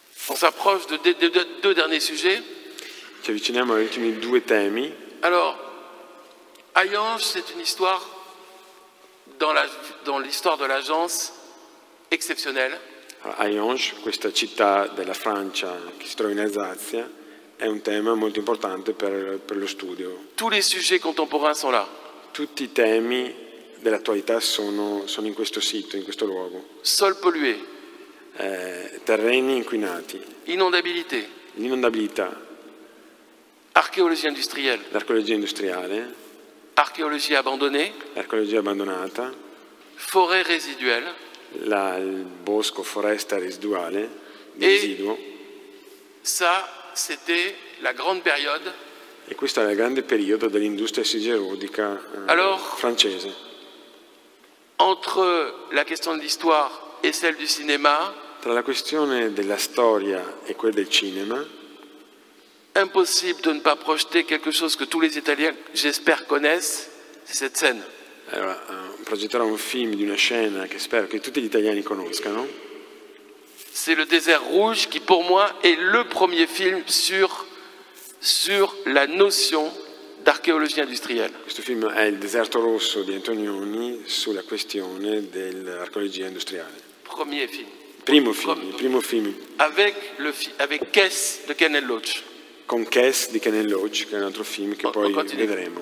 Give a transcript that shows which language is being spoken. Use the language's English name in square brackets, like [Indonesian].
[French] On s'approche de deux derniers sujets. [Italian] Ci avviciniamo agli ultimi due temi. [French] Alors, Hayange, c'est une histoire dans l'histoire de l'agence exceptionnelle. [Italian] Hayange, questa città della Francia che si trova in Alsazia, è un tema molto importante per lo studio. [French] Tous les sujets contemporains sont là. [Italian] Tutti i temi dell'attualità sono in questo sito, in questo luogo. [French] Sol pollué. [Italian] Terreni inquinati. [French] Inondabilité. [Italian] L'inondabilità. [French] Archéologie industrielle. [Italian] L'archéologia industriale. [French] Archéologie abbandonnée. [Italian] L'archéologia abbandonata. [French] Forêt résiduelle. [Italian] Il bosco, foresta residuale. Residuo. [French] Ça, c'était la grande période. [Italian] E questo era il grande periodo dell'industria siderurgica francese. [French] Entre la question de l'histoire et celle du cinéma. [Italian] Tra la questione della storia e quella del cinema. [French] Impossible de ne pas projeter quelque chose que tous les Italiens, j'espère, connaissent, c'est cette scène. [Italian] Allora, progetterò un film di una scena che spero che tutti gli italiani conoscano. [French] C'est Le Désert Rouge qui pour moi est le premier film sur la notion d'archéologie industrielle. [Italian] Questo film è Il deserto rosso di Antonioni sulla questione dell'archéologia industriale. [French] Premier film. [Italian] Primo film, il primo film. [French] Avec Kess de Ken & Loach. [Italian] Con Kess di Ken & Loach, che è un altro film che poi vedremo.